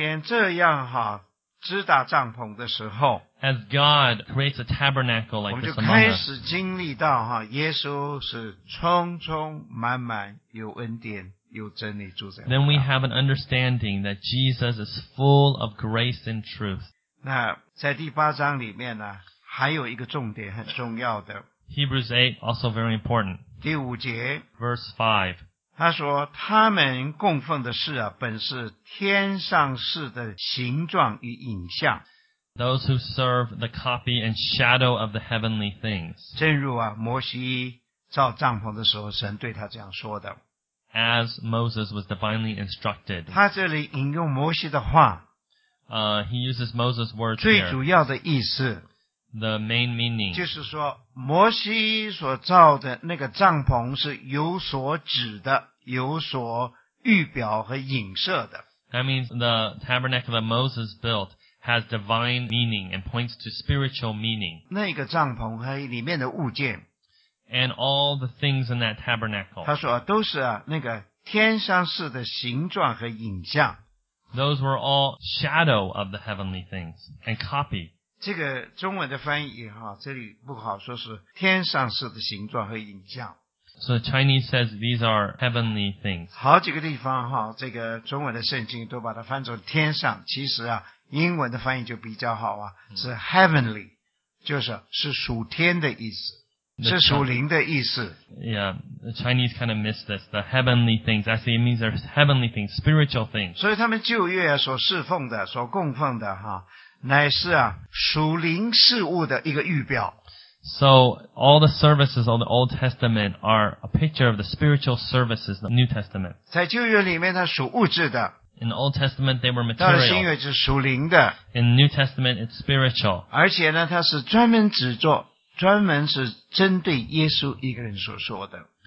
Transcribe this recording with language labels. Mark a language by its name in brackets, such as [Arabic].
[English] As God creates a tabernacle like this among us, [Chinese] 我们就开始经历到, 耶稣是充充满满有恩典。 [English] Then we have an understanding that Jesus is full of grace and truth. [Chinese] 那在第八章里面呢, 还有一个重点很重要的, [English] Hebrews 8, also very important. [Chinese] 第五节, [English] verse 5. [Chinese] 他说, 他们供奉的事啊, 本是天上事的形状与影像。 [English] Those who serve the copy and shadow of the heavenly things. [Chinese] 正如啊, 摩西造帐篷的时候, 神对他这样说的。 [English] As Moses was divinely instructed. [Chinese] 他这里引用摩西的话, [English] he uses Moses' words [Chinese] 最主要的意思, [English] here. The main meaning. [Chinese] 就是说, 摩西所造的那个帐篷是有所指的, 有所预表和影射的。 [English] That means the tabernacle that Moses built has divine meaning and points to spiritual meaning. [Chinese] 那个帐篷和里面的物件, [English] and all the things in that tabernacle. [Chinese] 他说, 都是啊, 那个天上式的形状和影像。 [English] Those were all shadow of the heavenly things and copy. [Chinese] 这个中文的翻译啊, 这里不好说是天上式的形状和影像。 [English] So the Chinese says these are heavenly things. [Chinese] 好几个地方啊, 这个中文的圣经都把它翻成天上, 其实啊, 英文的翻译就比较好啊, 是 heavenly, 就是属天的意思。是属灵的意思。 [English] Yeah, the Chinese kind of miss this. The heavenly things. Actually, it means they're heavenly things, spiritual things. [Chinese] 所以他们旧约所侍奉的, 所供奉的, 哈, 乃是啊, 属灵事物的一个预表。 [English] So, all the services of the Old Testament are a picture of the spiritual services of the New Testament. [Chinese] 在旧约里面它属物质的。 [English] In the Old Testament, they were material. [Chinese] 到了新约是属灵的。 [English] In the New Testament, it's spiritual. [Chinese] 而且呢, 它是专门指作, 专门是针对耶稣一个人所说的。